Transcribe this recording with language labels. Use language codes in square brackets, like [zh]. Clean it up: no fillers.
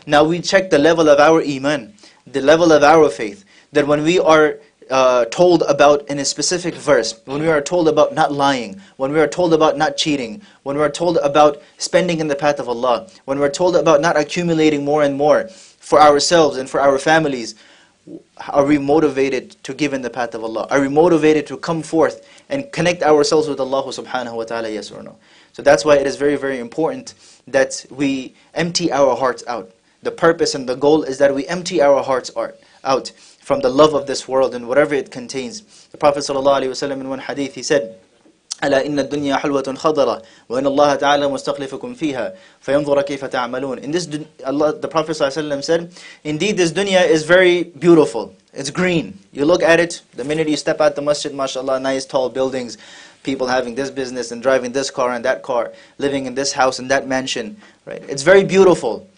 [en] Now we check the level of our iman, the level of our faith, that when we are told about in a specific verse, when we are told about not lying, when we are told about not cheating, when we are told about spending in the path of Allah, when we are told about not accumulating more and more for ourselves and for our families, are we motivated to give in the path of Allah? Are we motivated to come forth and connect ourselves with Allah subhanahu wa ta'ala, yes or no? So that's why it is very, very important that we empty our hearts out. The purpose and the goal is that we empty our hearts out from the love of this world and whatever it contains. The Prophet ﷺ in one hadith, he said, [ar] أَلَا إِنَّ الدُّنْيَا حَلْوَةٌ خَضَرَةٌ وَإِنَّ اللَّهَ تَعَالَى مُسْتَخْلِفُكُمْ فِيهَا فَيَنْظُرَ كَيْفَ تَعْمَلُونَ. [en] In this, Allah, the Prophet ﷺ said, indeed this dunya is very beautiful. It's green. You look at it, the minute you step out the masjid, mashallah, nice tall buildings, people having this business and driving this car and that car, living in this house and that mansion, right? It's very beautiful.